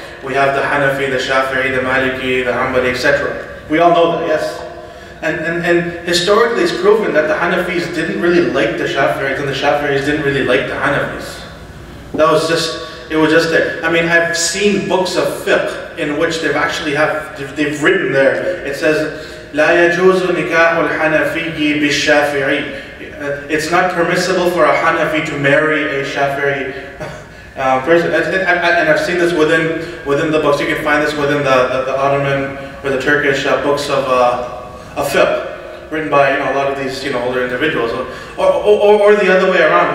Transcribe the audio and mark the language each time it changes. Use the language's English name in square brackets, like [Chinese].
[English] We have the Hanafi, the Shafi'i, the Maliki, the Hanbali, etc. We all know that, yes. And historically it's proven that the Hanafis didn't really like the Shafi'is, and the Shafi'is didn't really like the Hanafis. It was just there. I mean, I've seen books of fiqh in which they've written there. It says, [Arabic] لَا يَجُوزُ نِكَاحُ الْحَنَفِيِّ بِالشَّافِعِي. [English] It's not permissible for a Hanafi to marry a Shafi'i. And I've seen this within the books. You can find this within the Ottoman or the Turkish books of fiqh, written by, you know, a lot of these, you know, older individuals, or the other way around.